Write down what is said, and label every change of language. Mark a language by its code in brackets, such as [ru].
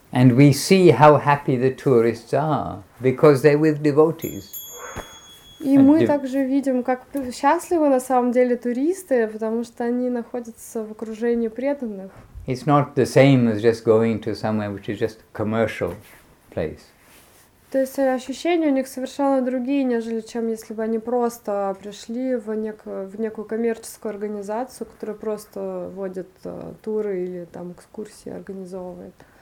[en] And we see how happy the tourists are, because they're with devotees. [ru] И мы также видим, как счастливы на самом деле туристы, потому что они находятся в окружении преданных. [en] It's not the same as just going to somewhere which is just a commercial place. [ru] То есть ощущения у них совершенно другие, нежели чем если бы они просто пришли в некую коммерческую организацию, которая просто водит туры или там экскурсии организовывает.